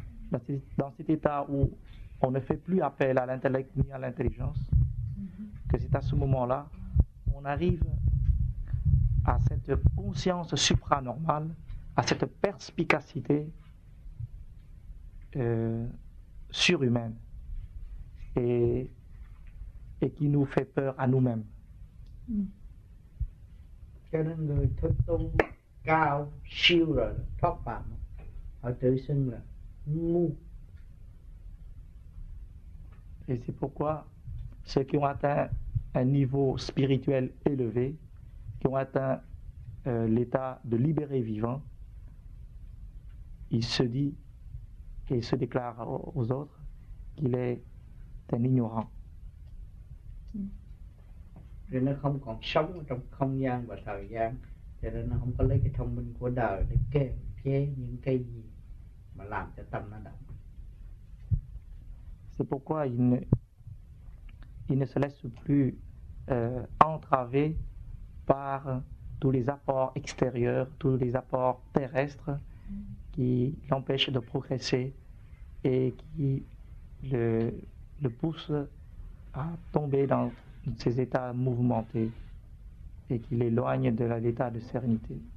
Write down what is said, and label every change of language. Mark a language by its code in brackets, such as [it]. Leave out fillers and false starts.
[fr] dans cet état où on ne fait plus appel à l'intellect ni à l'intelligence, que c'est à ce moment-là on arrive à cette conscience supranormale, à cette perspicacité surhumaine et qui nous fait peur à nous-mêmes. [vi] Cho nên người thức tung cao siêu rồi thoát phạm, họ tự xưng là ngu. [fr] Et c'est pourquoi ceux qui ont atteint un niveau spirituel élevé, qui ont atteint l'état de libéré vivant, il se dit et il se déclare aux autres qu'il est un ignorant. [vi] Rồi nó không còn sống trong không gian và thời gian, cho nên nó không có lấy cái thông minh của đời để kiềm chế những cái gì mà làm cho tâm nó động. [fr] C'est pourquoi il ne se laisse plus entraver par tous les apports extérieurs, tous les apports terrestres qui l'empêchent de progresser et qui le poussent à tomber dans ces états mouvementés et qui l'éloignent de l'état de sérénité.